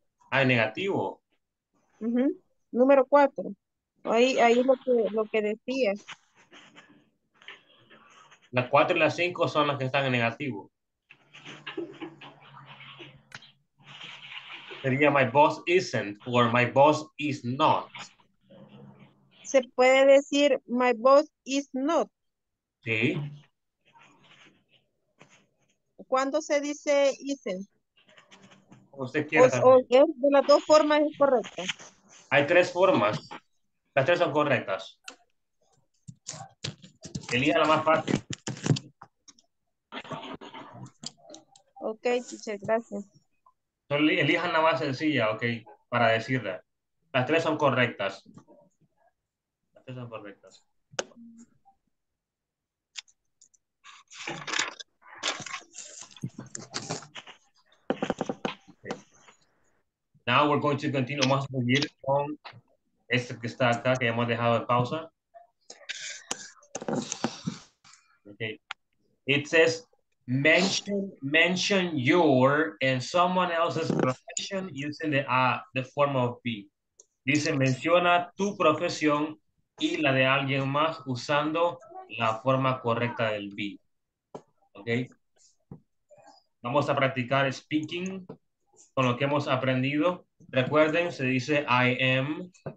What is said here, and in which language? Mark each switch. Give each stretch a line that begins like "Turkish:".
Spanish: Ah, negativo. Número cuatro. Ahí lo que decía. Las cuatro y las cinco son las que están en negativo.
English: Sería my boss isn't or my boss is not.
Spanish: Se puede decir
English: my boss is not.
Spanish: Sí. ¿Cuándo se dice isn't? Usted quiere saber. De las dos formas es correcta. Hay tres formas. Las tres son correctas. Elija la más fácil. Ok, teacher, gracias. Elijan la más sencilla, ok, para decirla. Las tres son correctas. Las tres son correctas.
English: Okay. Now we're going to continue.
Spanish: Vamos a seguir con este que está acá, que hemos dejado en pausa.
English: Okay. It says, Mention your and someone else's profession using the form of be.
Spanish: Dice, menciona tu profesión y la de alguien más usando la forma correcta del be. Ok. Vamos a practicar speaking con lo que hemos aprendido. Recuerden, se dice
English: I am.